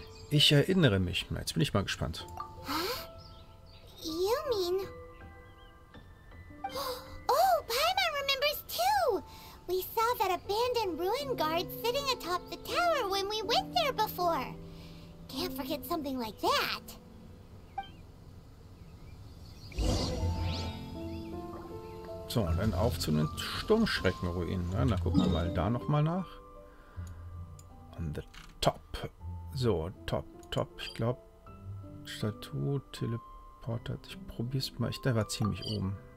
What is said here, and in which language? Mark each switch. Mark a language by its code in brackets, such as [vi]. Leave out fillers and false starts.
[de] Ich erinnere mich. Jetzt bin ich mal gespannt. [en] mean... Oh, Paimon remembers too! We saw that abandoned ruin guard sitting atop the tower when we went there before. Can't forget something like that. [de] So, und dann auf zu den Sturmschreckenruinen. Ja, dann gucken wir mal da nochmal nach. [en] On the top. [de] So, top, top. Ich glaube, Statue, Teleporter. Ich probier's mal. Ich, der war ziemlich oben.